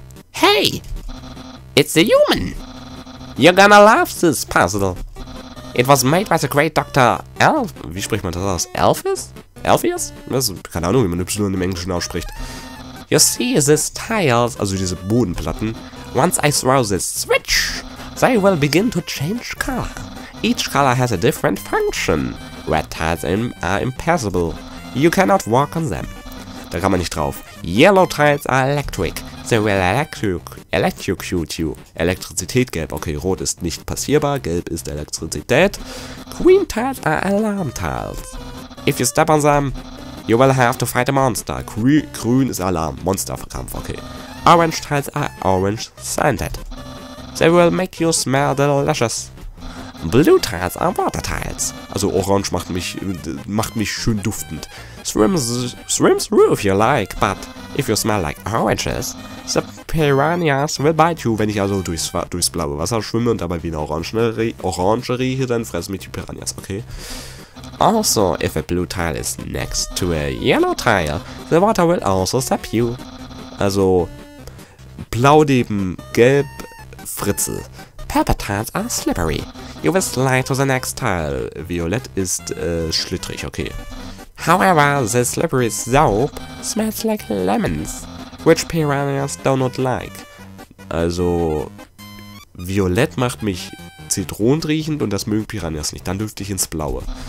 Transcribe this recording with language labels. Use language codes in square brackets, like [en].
[en] Hey, it's a human. You're gonna love this puzzle. It was made by the great Dr. Elf... [de] Wie spricht man das aus? Elpheus? Keine Ahnung, wie man Y im Englischen ausspricht. [en] You see these tiles, [de] also diese Bodenplatten. [en] Once I throw this switch, they will begin to change color. Each color has a different function. Red tiles are impassable. You cannot walk on them. [de] Da kann man nicht drauf. [en] Yellow tiles are electric. They will electrocute you. [de] Elektrizität, gelb. Okay, rot ist nicht passierbar. Gelb ist Elektrizität. [en] Green tiles are alarm tiles. If you step on them, you will have to fight a monster. [de] Grün ist Alarm. Monsterkampf, okay. [en] Orange tiles are orange scented. They will make you smell delicious. Blue tiles are water tiles. [de] Also orange macht mich schön duftend. [en] Swim through if you like, but if you smell like oranges, the piranhas will bite you. [de] Wenn ich also durchs blaue Wasser schwimme und dabei wie eine Orange rieche, dann fressen mich die Piranhas, okay? [en] Also, if a blue tile is next to a yellow tile, the water will also sap you. [de] Also, blau neben gelb Fritzel. [en] Purple tiles are slippery. You will slide to the next tile. [de] Violett ist schlittrig, okay. [en] However, the slippery soap smells like lemons, which piranhas do not like. [de] Also, violett macht mich zitronenriechend und das mögen Piranhas nicht. Dann dürfte ich ins Blaue.